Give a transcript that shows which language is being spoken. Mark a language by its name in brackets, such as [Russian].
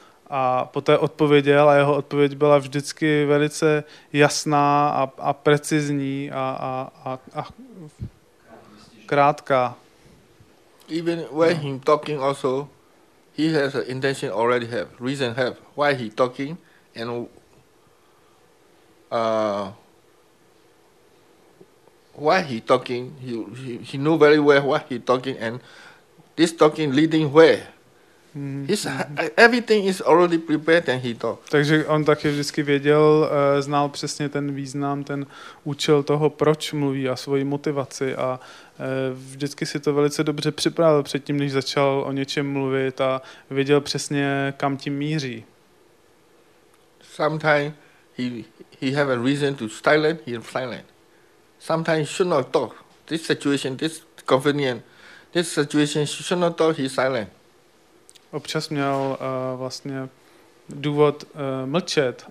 [Czech] A poté odpověděl a jeho odpověď byla vždycky velice jasná a precizní a krátká. [English] Even when he talking also, he has an intention already have, reason have, why he talking, and what he talking. He knew very well what he talking, and this talking leading where. Everything is already prepared and he talk. [Czech] Takže on taky vždycky věděl, znal přesně ten význam, ten účel toho, proč mluví a svoji motivaci a vždycky si to velice dobře připravil předtím, než začal o něčem mluvit a věděl přesně, kam tím míří. [English] Sometimes he have a reason to silent, he silent. Sometimes should not talk. This situation, this convenient, this situation should not talk, he silent. [Czech] Občas měl vlastně důvod mlčet.